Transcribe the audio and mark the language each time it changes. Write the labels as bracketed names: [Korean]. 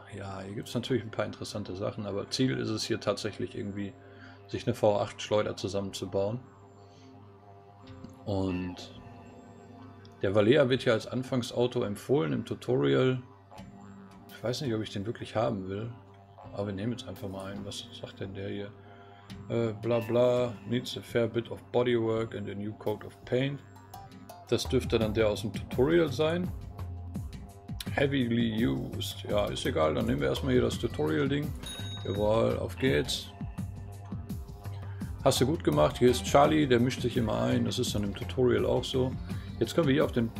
[German] Ja, hier gibt es natürlich ein paar interessante Sachen, aber Ziel ist es hier tatsächlich irgendwie, sich eine V8-Schleuder zusammenzubauen. Und der Valea wird hier als Anfangsauto empfohlen im Tutorial. Ich weiß nicht, ob ich den wirklich haben will, aber wir nehmen jetzt einfach mal einen. Was sagt denn der hier? [English] Blabla, needs a fair bit of bodywork and a new coat of paint. [German] Das dürfte dann der aus dem Tutorial sein. [English] Heavily used. [German] Ja, ist egal. Dann nehmen wir erstmal hier das Tutorial-Ding. Jawohl, auf geht's. Hast du gut gemacht. Hier ist Charlie, der mischt sich immer ein. Das ist dann im Tutorial auch so. Jetzt können wir hier auf den.